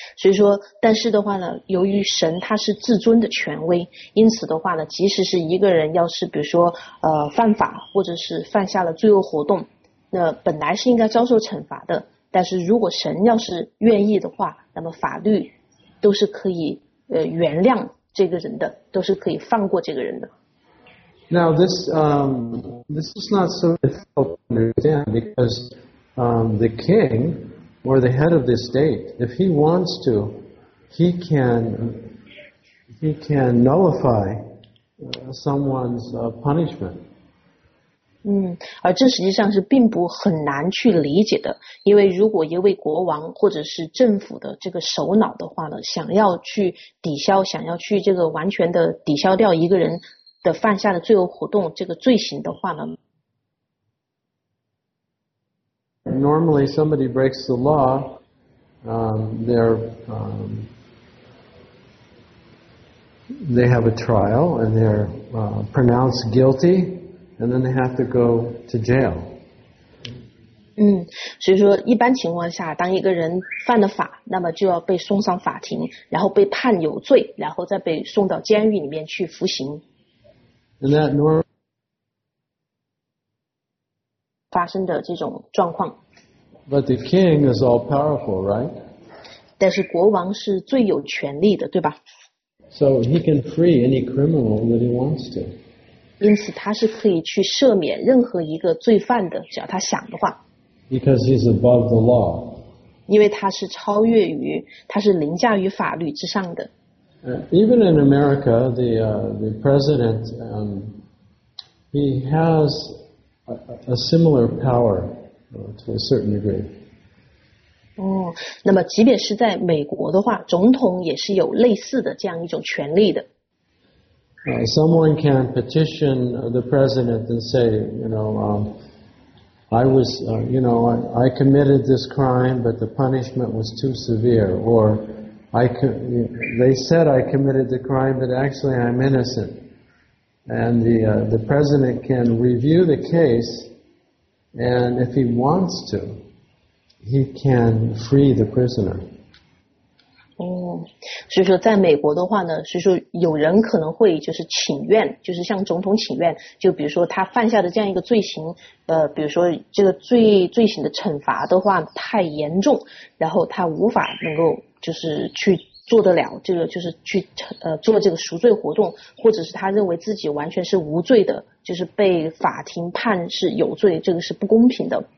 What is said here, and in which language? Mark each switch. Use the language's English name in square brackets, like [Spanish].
[Chinese] 所以说但是的话呢，由于神他是至尊的权威，因此的话呢，即使是一个人要是比如说犯法或者是犯下了罪恶活动，那本来是应该遭受惩罚的，但是如果神要是愿意的话，那么法律都是可以原谅这个人的，都是可以放过这个人的。 [English] Now this is not so difficult to understand because the king or the head of the state, if he wants to, he can nullify someone's punishment. [Chinese] 而这实际上是并不很难去理解的，因为如果一位国王或者是政府的这个首脑的话呢，想要去这个完全的抵消掉一个人的犯下的罪恶活动这个罪行的话呢。 [English] Normally, somebody breaks the law, they're they have a trial and they're pronounced guilty and then they have to go to jail. [Chinese] 所以说一般情况下当一个人犯了法那么就要被送上法庭然后被判有罪然后再被送到监狱里面去服刑。 [English] And that normally [Chinese] 发生的这种状况。 [English] But the king is all powerful, right? [Chinese] 但是国王是最有权力的对吧 [English] ?So he can free any criminal that he wants to. [Chinese] 因此他是可以去赦免任何一个罪犯的只要他想的话。 [English] Because he's above the law. [Chinese] 因为他是超越于他是凌驾于法律之上的。 [English] Even in America, the president, he has a similar power to a certain degree. [Chinese] 那么即便是在美国的话总统也是有类似的这样一种权利的。 [English] Someone can petition the president and say, you know,I was, you know, I committed this crime, but the punishment was too severe. Or, they said I committed the crime, but actually I'm innocent. And the president can review the case, and if he wants to, he can free the prisoner. [Chinese] 所以说在美国的话呢，所以说有人可能会就是请愿，就是向总统请愿，就比如说他犯下的这样一个罪行，比如说这个罪行的惩罚的话太严重，然后他无法能够就是去做得了这个，就是去做这个赎罪活动，或者是他认为自己完全是无罪的，就是被法庭判是有罪，这个是不公平的。